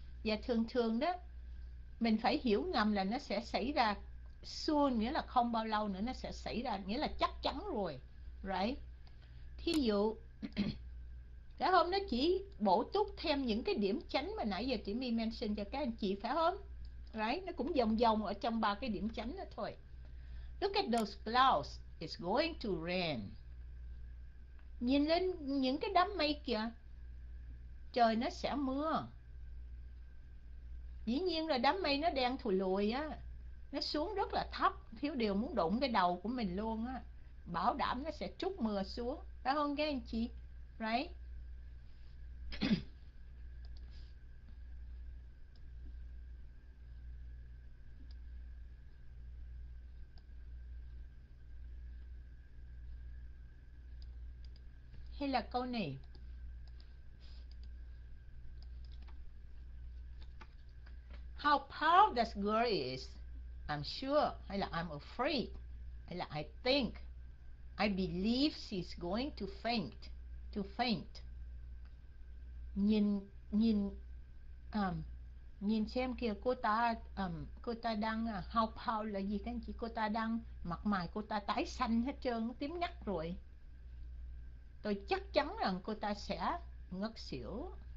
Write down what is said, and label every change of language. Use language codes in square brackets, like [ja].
[vi] Và thường thường đó mình phải hiểu ngầm là nó sẽ xảy ra soon, nghĩa là không bao lâu nữa nó sẽ xảy ra, nghĩa là chắc chắn rồi. Right. Thí dụ đã hôm nó chỉ bổ túc thêm những cái điểm chánh mà nãy giờ chị mi mention cho các anh chị, phải không? Right. Nó cũng vòng vòng ở trong ba cái điểm chánh đó thôi. [en] Look at those clouds, it's going to rain. [vi] Nhìn lên những cái đám mây kìa, trời nó sẽ mưa. Dĩ nhiên là đám mây nó đen thùi lùi á, nó xuống rất là thấp, thiếu điều muốn đụng cái đầu của mình luôn á, bảo đảm nó sẽ trút mưa xuống, phải không các anh chị? [en] Right. [vi] Hay là câu này. [en] How proud this girl is, I'm sure, [vi] hay là [en] I'm afraid, hay là I think, I believe she's going to faint. [vi] Nhìn nhìn nhìn xem kìa, cô ta đang [en] how pale [vi] là gì các anh chị, cô ta đang mặt mày cô ta tái xanh hết trơn, tím ngắt rồi, tôi chắc chắn rằng cô ta sẽ ngất xỉu.